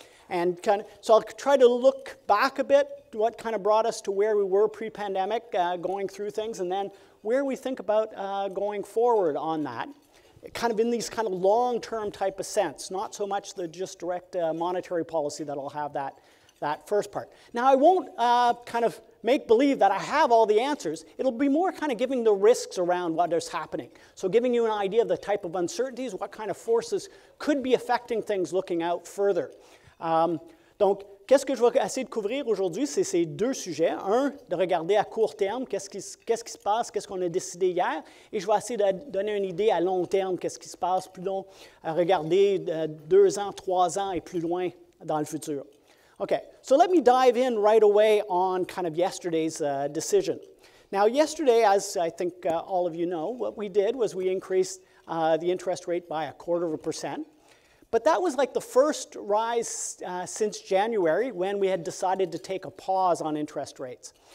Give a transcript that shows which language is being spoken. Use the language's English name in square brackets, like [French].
[English] And kind of, so I'll try to look back a bit, what kind of brought us to where we were pre-pandemic, going through things, and then where we think about going forward on that, kind of in these kind of long-term type of sense, not so much the just direct monetary policy that'll have that first part. Now, I won't kind of make believe that I have all the answers. It'll be more kind of giving the risks around what is happening. So giving you an idea of the type of uncertainties, what kind of forces could be affecting things looking out further. [French] Donc, qu'est-ce que je vais essayer de couvrir aujourd'hui, c'est ces deux sujets. Un, de regarder à court terme, qu'est-ce qui se passe, qu'est-ce qu'on a décidé hier. Et je vais essayer de donner une idée à long terme, qu'est-ce qui se passe plus long, à regarder deux ans, trois ans et plus loin dans le futur. [English] Okay, so let me dive in right away on kind of yesterday's decision. Now, yesterday, as I think all of you know, what we did was we increased the interest rate by 0.25%. But that was like the first rise since January when we had decided to take a pause on interest rates.